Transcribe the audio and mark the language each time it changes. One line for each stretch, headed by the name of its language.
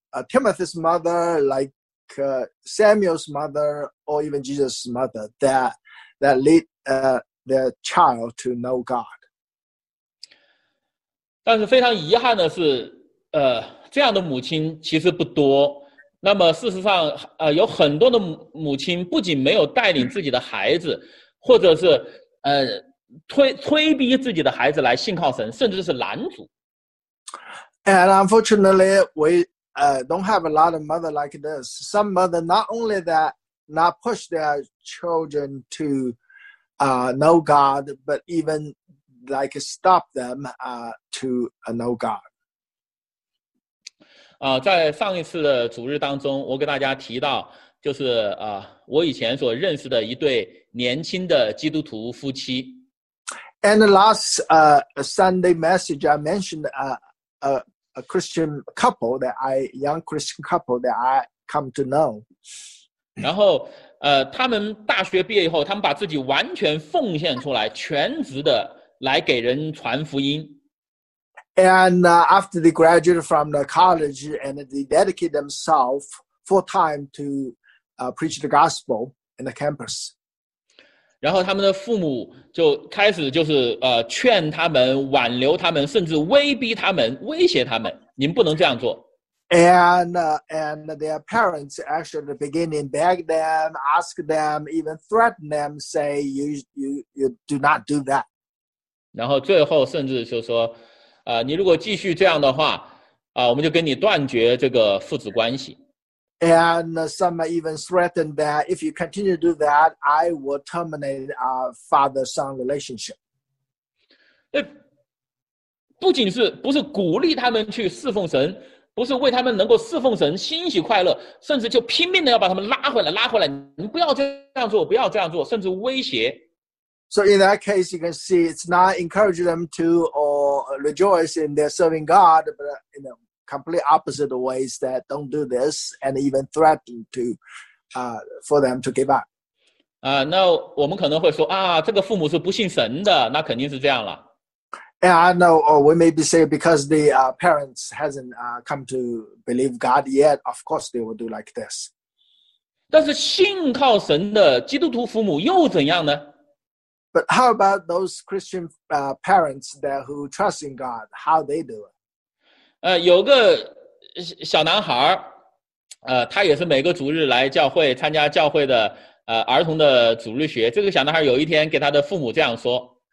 English: Timothy's mother, like Samuel's mother, or even Jesus' mother, that lead their child to know God.
Chinese: 但是非常遗憾的是，这样的母亲其实不多。那么事实上，有很多的母亲不仅没有带领自己的孩子，或者是催逼自己的孩子来信靠神，甚至是拦阻。
English: And unfortunately, we don't have a lot of mother like this. Some mother not only that not push their children to know God, but even like stop them to know God.
Chinese: 在上一次的主日当中，我给大家提到，就是我以前所认识的一对年轻的基督徒夫妻。
English: And the last Sunday message, I mentioned a Christian couple that I young Christian couple that I come to know.
Chinese: 然后他们大学毕业以后，他们把自己完全奉献出来，全职的来给人传福音。
English: And after they graduated from the college and they dedicate themselves full time to preach the gospel in the campus.
Chinese: 然后他们的父母就开始就是劝他们，挽留他们，甚至威逼他们，威胁他们，你们不能这样做。
English: And their parents actually at the beginning begged them, asked them, even threatened them, say you do not do that.
Chinese: 然后最后甚至就说你如果继续这样的话我们就跟你断绝这个父子关系。
English: And some even threatened that if you continue to do that, I will terminate our father-son relationship.
Chinese: 不仅是不是鼓励他们去侍奉神，不是为他们能够侍奉神欣喜快乐，甚至就拼命的要把他们拉回来，拉回来，你不要这样做，不要这样做，甚至威胁。
English: So in that case, you can see it's not encouraging them to or rejoice in their serving God, but in a complete opposite ways that don't do this and even threaten to, for them to give up.
Chinese: 那我们可能会说啊，这个父母是不信神的，那肯定是这样了。
English: And I know, or we may be saying because the parents hasn't come to believe God yet, of course they will do like this.
Chinese: 但是信靠神的基督徒父母又怎样呢？
English: But how about those Christian parents that who trust in God? How they do it?
Chinese: 有个小男孩他也是每个主日来教会参加教会的儿童的主日学。这个小男孩有一天给他的父母这样说。